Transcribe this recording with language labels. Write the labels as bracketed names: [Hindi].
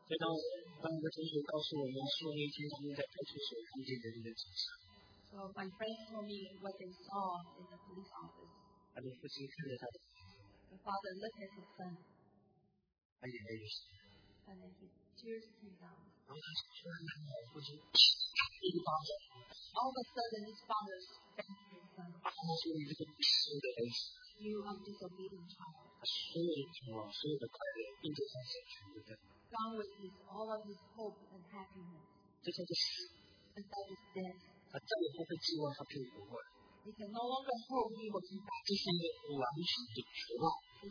[Chinese] 所以当我们的同学告诉我们说那天他们在派出所遇见的那个景象。 [English] So my friends told me what they saw in the police office. [Chinese] 他的父亲看着他的。 [English] The father looked at his son. [Chinese] 他眼泪就湿了。 [English] And then his tears came down. [Chinese] 然后他突然看到父亲一个巴掌。 [English] All of a sudden his father spanked his son. [Chinese] 他说你这个不孝的儿子。 [English] You are disobedient child. [Chinese] 他所有的愿望，所有的快乐，并且他所有的。 [English] Gone with his all of his hope and happiness. [Chinese] 就像是死。 [English] And that is death. [Chinese] 他再也不会寄望他可以活过来。 [English] He can no longer hope he will come back. [Chinese] 这是一个完全的绝望。 [English] He